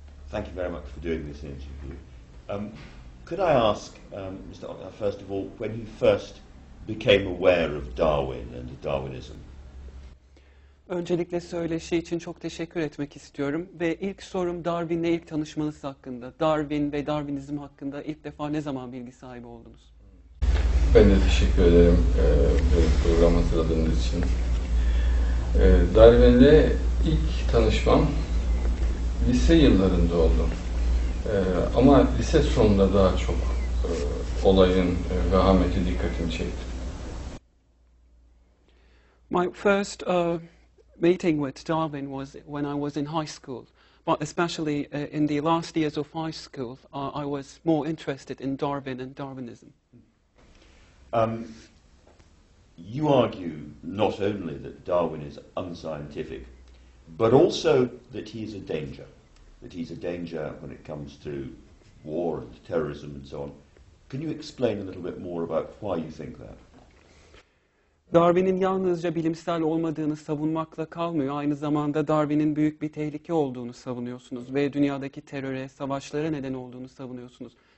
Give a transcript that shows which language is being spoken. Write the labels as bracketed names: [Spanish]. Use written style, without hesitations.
[English] Thank you very much for doing this interview. Could I ask, Mr. Oktar, first of all, when you first became aware of Darwin and Darwinism? [Turkish] Öncelikle söyleşi için çok teşekkür etmek istiyorum ve ilk sorum Darwin'le ilk tanışmanız hakkında. Darwin ve Darwinizm hakkında ilk defa ne zaman bilgi sahibi oldunuz? Ben de teşekkür ederim programı hazırladığınız için. Darwin'le ilk tanışmam lise yıllarında oldu. Ama lise sonunda daha çok olayın vehameti dikkatimi çekti. [English] My first meeting with Darwin was when I was in high school, but especially in the last years of high school, I was more interested in Darwin and Darwinism. You argue not only that Darwin is unscientific, but also that he is a danger, when it comes to war and terrorism and so on. Can you explain a little bit more about why you think that? [Turkish] Darwin'in yalnızca bilimsel olmadığını savunmakla kalmıyor. Aynı zamanda Darwin'in büyük bir tehlike olduğunu savunuyorsunuz ve dünyadaki teröre, savaşlara neden olduğunu savunuyorsunuz.